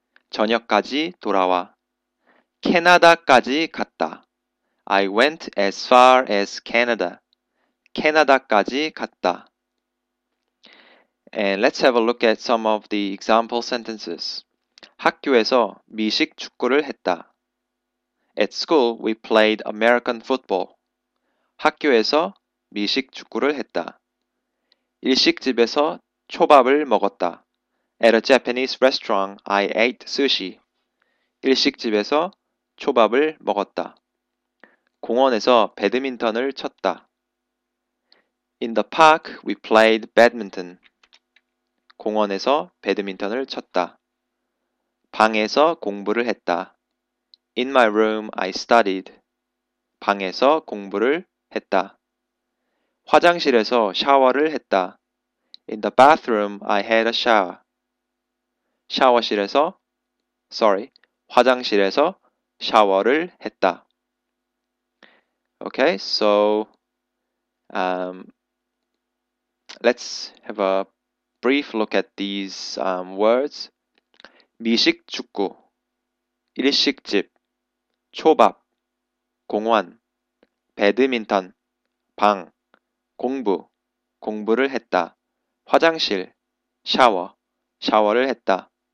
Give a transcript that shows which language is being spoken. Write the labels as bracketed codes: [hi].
[ko] 저녁까지 돌아와. 캐나다까지 갔다. [en] I went as far as Canada. [ko] 캐나다까지 갔다. [en] And let's have a look at some of the example sentences. [ko] 학교에서 미식 축구를 했다. [en] At school, we played American football. [ko] 학교에서 미식 축구를 했다. 일식집에서 초밥을 먹었다. [en] At a Japanese restaurant, I ate sushi. [ko] 일식집에서 초밥을 먹었다. 공원에서 배드민턴을 쳤다. [en] In the park, we played badminton. [ko] 공원에서 배드민턴을 쳤다. 방에서 공부를 했다. [en] In my room, I studied. [ko] 방에서 공부를 했다. 화장실에서 샤워를 했다. [en] In the bathroom, I had a shower. [ko] 샤워실에서, [en] sorry, [ko] 화장실에서 샤워를 했다. [en] Okay, so let's have a brief look at these words. [ko] 미식 축구, 일식집, 초밥, 공원, 배드민턴, 방, 공부, 공부를 했다. 화장실, 샤워, 샤워를 했다.